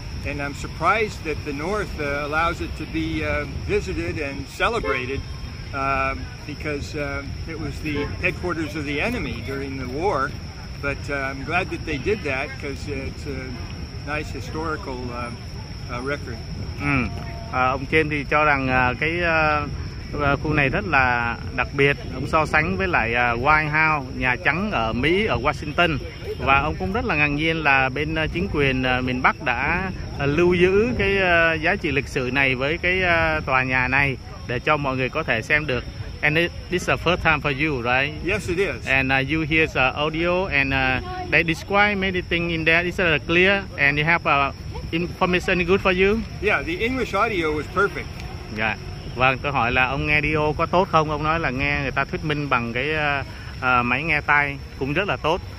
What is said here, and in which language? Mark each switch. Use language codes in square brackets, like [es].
[en] And I'm surprised that the North allows it to be visited and celebrated because it was the headquarters of the enemy during the war. But I'm glad that they did that because it's a nice historical record. [vi] Ông Kim thì cho rằng cái khu này rất là đặc biệt. Ông so sánh với lại White House, Nhà Trắng ở Mỹ, ở Washington. Và ông cũng rất là ngạc nhiên là bên chính quyền miền Bắc đã lưu giữ cái giá trị lịch sử này với cái tòa nhà này để cho mọi người có thể xem được. [en] And this is the first time for you, right? Yes, it is. And you hear the audio and they describe many things in there. It's clear and you have information good for you. Yeah, the English audio was perfect. Yeah. [vi] Vâng, tôi hỏi là ông nghe audio có tốt không? Ông nói là nghe người ta thuyết minh bằng cái máy nghe tai cũng rất là tốt.